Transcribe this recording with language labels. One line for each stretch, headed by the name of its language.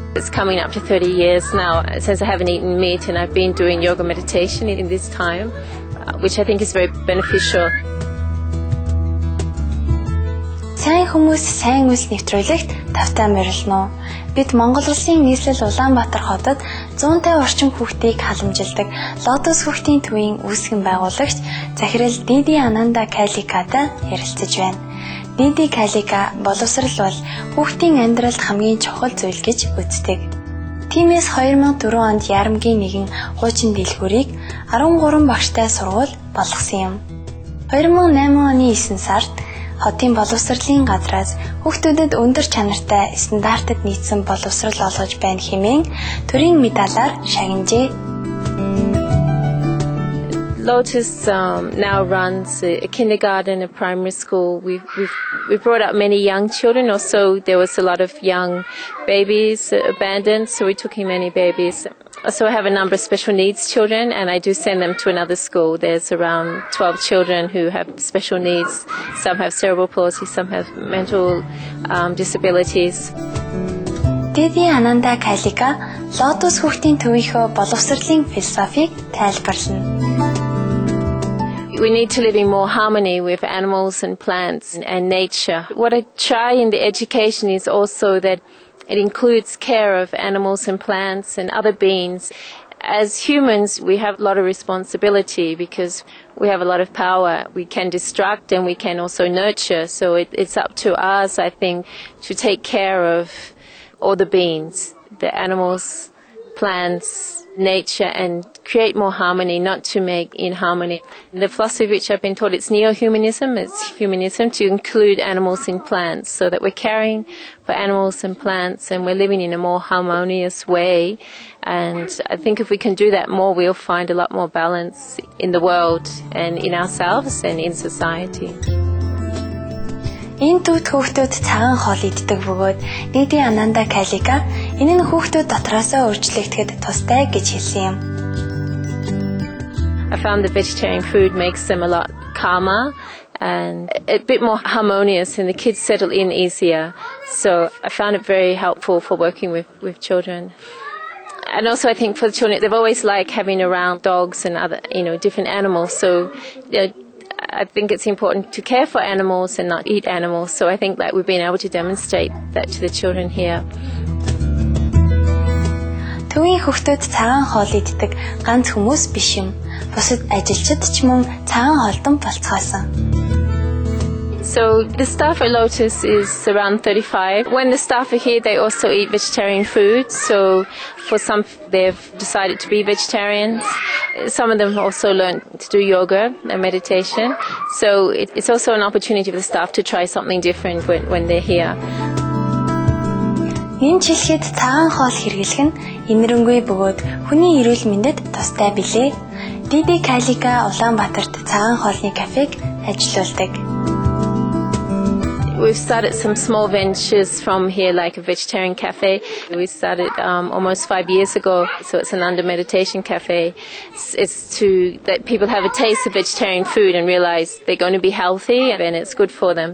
English: Coming up to 30 years now since I haven't eaten meat and I've been doing yoga meditation in this time, which I think is very beneficial.
Mongolian: Сайн хүмүүс сайн үйлс нэвтрүүлэгт тавтай морилно. Бид Монгол улсын нийслэл Улаанбаатар хотод 150 орчим хүүхдийг халамжилдаг Lotus хүүхдийн төвийн үүсгэн байгуулагч Захирал Диди Ананда Каликатай ярилцаж байна. Диди Калика боловсрал бол хүүхдийн амьдралд хамгийн чухал зүйл гэж үздэг. Тиймээс 2004 онд Ярамгийн нэгэн хуучин дэлгүүрийг 13 багштай сургууль болгосон юм. 2008 оны 9 сард хотын боловсралтын газраас хүүхдүүдэд өндөр чанартай стандартад нийцсэн боловсрал олгож байна хэмээн төрийн медалаар шагнажээ.
English: Lotus now runs a kindergarten, a primary school. We've brought up many young children. Also, there was a lot of young babies abandoned, so we took in many babies. Also, I have a number of special needs children, and I do send them to another school. There's around 12 children who have special needs. Some have cerebral palsy, some have mental disabilities.
Mongolian: Диди Ананда Калика, Lotus хүүхдийн төвийнхөө боловсролын философийг тайлбарлана.
English: We need to live in more harmony with animals and plants and nature. What I try in the education is also that it includes care of animals and plants and other beings. As humans, we have a lot of responsibility because we have a lot of power. We can destruct and we can also nurture. So it's up to us, I think, to take care of all the beings, the animals, plants, nature, and create more harmony, not to make inharmony. The philosophy which I've been taught, it's neo-humanism, it's humanism to include animals and plants, so that we're caring for animals and plants and we're living in a more harmonious way. And I think if we can do that more, we'll find a lot more balance in the world and in ourselves and in society.
Mongolian: Энэ төвд хүүхдүүд цагаан хоол иддэг бөгөөд Диди Ананда Калика энэ нь хүүхдүүд дотроосоо өөрчлөгдөхөд тустай гэж хэлсэн юм.
English: I found the vegetarian food makes them a lot calmer and a bit more harmonious and the kids settle in easier. So I found it very helpful for working with children. And also I think for the children they've always liked having around dogs and other, you know, different animals. So I think it's important to care for animals and not eat animals. So I think that we've been able to demonstrate that to the children here.
Mongolian: Төвийн хүүхдүүд цагаан хоол иддэг ганц хүмүүс биш юм. Бусад ажилчид ч мөн цагаан хоолдон болцгоосон.
English: So the staff at Lotus is around 35. When the staff are here, they also eat vegetarian food. So for some, they've decided to be vegetarians. Some of them also learn to do yoga and meditation. So it's also an opportunity for the staff to try something different when they're here.
Mongolian: Энэ жилд цагаан хоол хэрэглэх нь инэрэнгүй бөгөөд хүний эрүүл мэндэд тустай билээ. DD Calica Улаанбаатарт цагаан хоолны кафег ажиллуулдаг.
English: We've started some small ventures from here, like a vegetarian cafe. We started almost 5 years ago, so it's an under meditation cafe. It's to that people have a taste of vegetarian food and realize they're going to be healthy and it's good for them.